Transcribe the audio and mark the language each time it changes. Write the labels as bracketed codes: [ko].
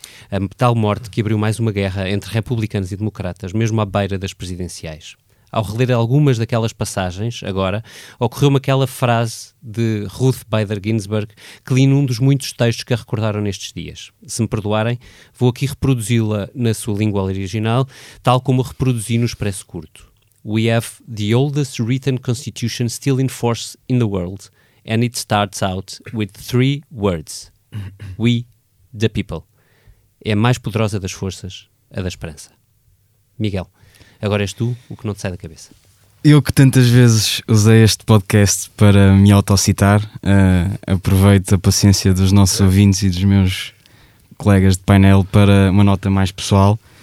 [pt] A tal morte que abriu mais uma guerra entre republicanos e democratas, mesmo à beira das presidenciais. Ao reler algumas daquelas passagens, agora, ocorreu-me aquela frase de Ruth Bader Ginsburg que li num dos muitos textos que a recordaram nestes dias. Se me perdoarem, vou aqui reproduzi-la na sua língua original, tal como a reproduzi no Expresso Curto. [en] We have the oldest written constitution still in force in the world, and it starts out with 3 words. We, the people. [pt] É a mais poderosa das forças, a da esperança. Miguel. Agora és tu, o que não te sai da cabeça. Eu que tantas vezes usei este podcast para me autocitar, aproveito a paciência dos nossos ouvintes e dos meus colegas de painel para uma nota mais pessoal.